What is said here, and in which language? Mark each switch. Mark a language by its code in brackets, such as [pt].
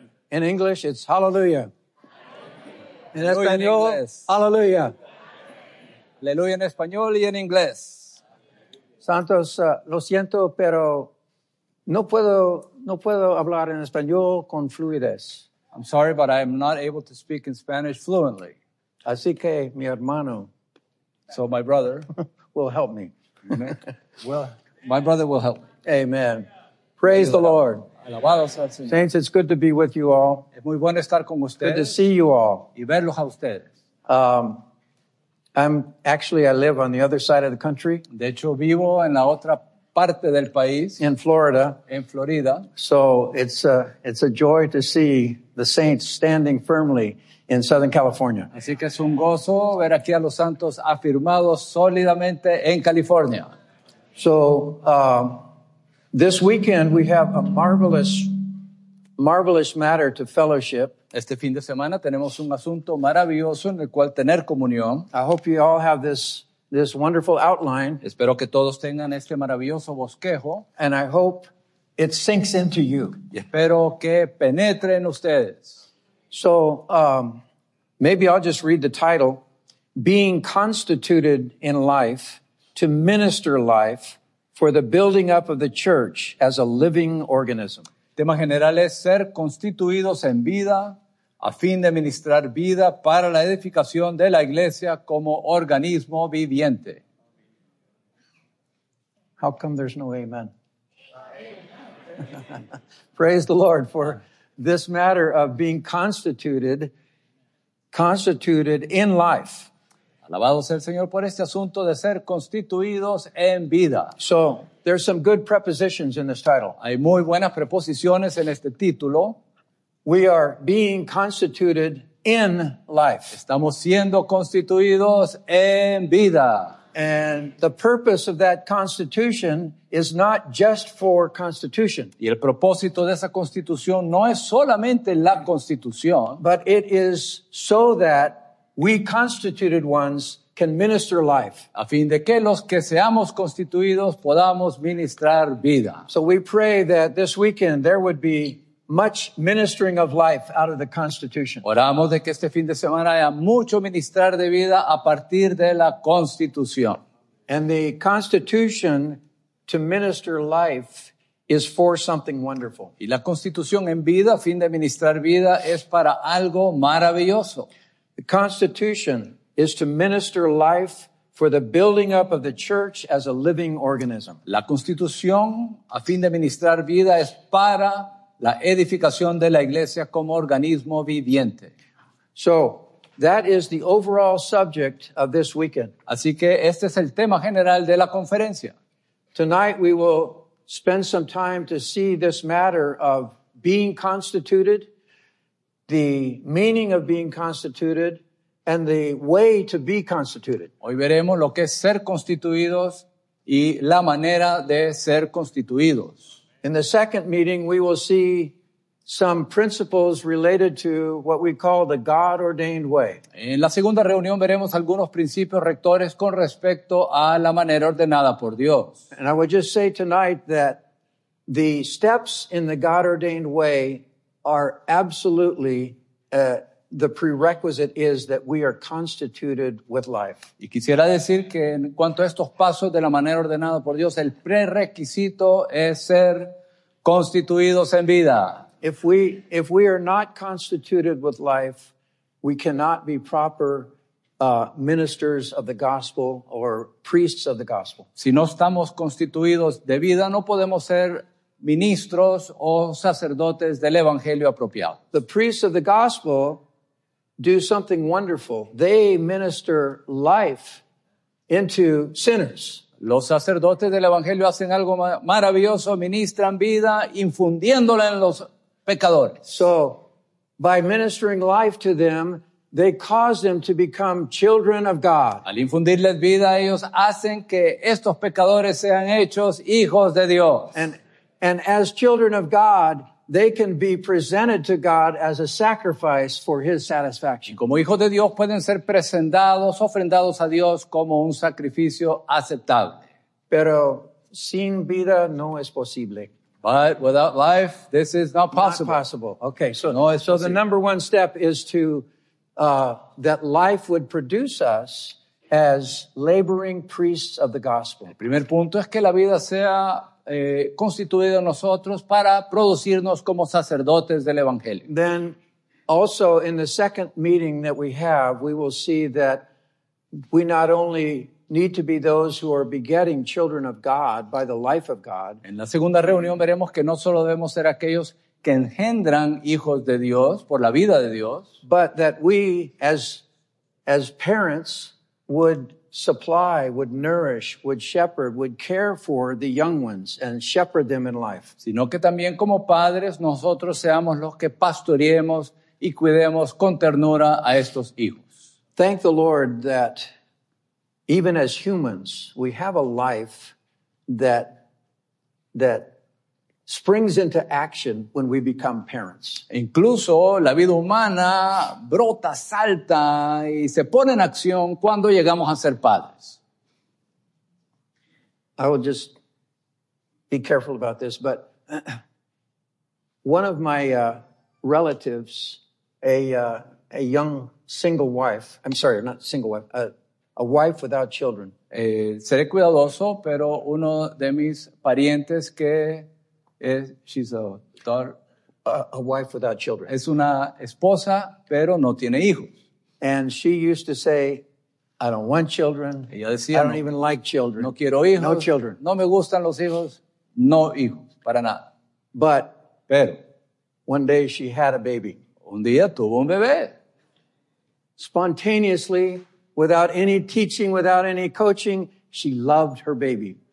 [en] In English, it's hallelujah. [es] En español, hallelujah. Hallelujah en español y en inglés. Santos, lo siento, pero no puedo hablar en español con fluidez. [en] I'm sorry, but I am not able to speak in Spanish fluently. [es] Así que mi hermano. [en] So my brother. Will help me. Well, my brother will help me. Amen. Praise the Lord. Saints, it's good to be with you all. [es] Es muy bueno estar con ustedes. [en] Good to see you all. [es] Y verlos a ustedes. [en] I live on the other side of the country. [es] De hecho, vivo en la otra parte del país. [en] In Florida. [es] En Florida. [en] So it's a joy to see the saints standing firmly in Southern California. [es] Así que es un gozo ver aquí a los santos afirmados sólidamente en California. [en] So, this weekend we have a marvelous matter to fellowship. [es] Este fin de semana tenemos un asunto maravilloso en el cual tener comunión. [en] I hope you all have this wonderful outline. [es] Espero que todos tengan este maravilloso bosquejo. [en] And I hope it sinks into you. [es] Y espero que penetre en ustedes. [en] So, maybe I'll just read the title, Being Constituted in Life to Minister Life for the Building Up of the Church as a Living Organism. [es] Tema general es ser constituidos en vida a fin de ministrar vida para la edificación de la iglesia como organismo viviente. [en] How come there's no amen? Amen. Praise the Lord for this matter of being constituted in life. [es] Alabado sea el Señor por este asunto de ser constituidos en vida. [en] So, there's some good prepositions in this title. [es] Hay muy buenas preposiciones en este título. [en] We are being constituted in life. [es] Estamos siendo constituidos en vida. [en] And the purpose of that constitution is not just for constitution. [es] Y el propósito de esa constitución no es solamente la constitución. [en] But it is so that we constituted ones can minister life. [es] A fin de que los que seamos constituidos podamos ministrar vida. [en] So we pray that this weekend there would be much ministering of life out of the Constitution. [es] Oramos de que este fin de semana haya mucho ministrar de vida a partir de la Constitución. [en] And the Constitution to minister life is for something wonderful. [es] Y la Constitución en vida, a fin de ministrar vida, es para algo maravilloso. [en] The Constitution is to minister life for the building up of the church as a living organism. [es] La Constitución, a fin de ministrar vida, es para la edificación de la iglesia como organismo viviente. [en] So, that is the overall subject of this weekend. [es] Así que este es el tema general de la conferencia. [en] Tonight we will spend some time to see this matter of being constituted, the meaning of being constituted, and the way to be constituted. [es] Hoy veremos lo que es ser constituidos y la manera de ser constituidos. [en] In the second meeting, we will see some principles related to what we call the God-ordained way. [es] En la segunda reunión veremos algunos principios rectores con respecto a la manera ordenada por Dios. [en] And I would just say tonight that the steps in the God-ordained way are absolutely the prerequisite is that we are constituted with life. [es] Y quisiera decir que en cuanto a estos pasos de la manera ordenada por Dios, el prerequisito es ser constituidos en vida. [en] If we are not constituted with life, we cannot be proper ministers of the gospel or priests of the gospel. [es] Si no estamos constituidos de vida, no podemos ser ministros o sacerdotes del evangelio apropiado. [en] The priests of the gospel do something wonderful. They minister life into sinners. [es] Los sacerdotes del evangelio hacen algo maravilloso, ministran vida infundiéndola en los pecadores. [en] So, by ministering life to them, they cause them to become children of God. [es] Al infundirles vida, ellos hacen que estos pecadores sean hechos hijos de Dios. [en] And as children of God, they can be presented to God as a sacrifice for His satisfaction. [es] Y como hijos de Dios pueden ser presentados, ofrendados a Dios como un sacrificio aceptable. Pero sin vida no es posible. [en] But without life, this is not possible. Not possible. Okay, so, no, so the number one step is to that life would produce us as laboring priests of the gospel. [es] El primer punto es que la vida sea constituida en nosotros para producirnos como sacerdotes del evangelio. [en] Then, also in the second meeting that we have, we will see that we not only need to be those who are begetting children of God by the life of God. [es] En la segunda reunión veremos que no solo debemos ser aquellos que engendran hijos de Dios por la vida de Dios, [en] but that we as parents would supply, would nourish, would shepherd, would care for the young ones and shepherd them in life. [es] Sino que también como padres nosotros seamos los que pastoreemos y cuidemos con ternura a estos hijos. [en] Thank the Lord that even as humans, we have a life that springs into action when we become parents. [es] Incluso la vida humana brota, salta y se pone en acción cuando llegamos a ser padres. [en] I will just be careful about this, but one of my relatives, a young single wife, I'm sorry, not single wife, a wife without children. [es] Seré cuidadoso, pero uno de mis parientes que es, [en] she's a daughter. A wife without children. [es] Es una esposa, pero no tiene hijos. [en] And she used to say, I don't want children. [es] Ella decía, [en] I don't even like children. [es] No quiero hijos. [en] No children. [es] No me gustan los hijos. No hijos. Para nada. [en] But, [es] pero, [en] one day she had a baby. [es] Un día tuvo un bebé. [en] Spontaneously, without any teaching, without any coaching, she loved her baby.